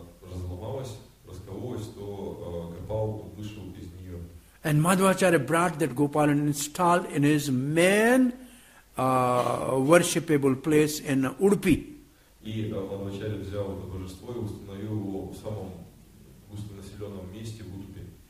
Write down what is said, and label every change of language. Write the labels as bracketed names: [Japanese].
[Russian] Разломалась, раскололась, то Гопал вышел из нее. [English] And Madhvacharya brought that Gopal and installed in his main worshipable place in Udupi. [Russian] И Мадхвачарья взял это божество и установил его в самом густонаселенном месте в Удупи.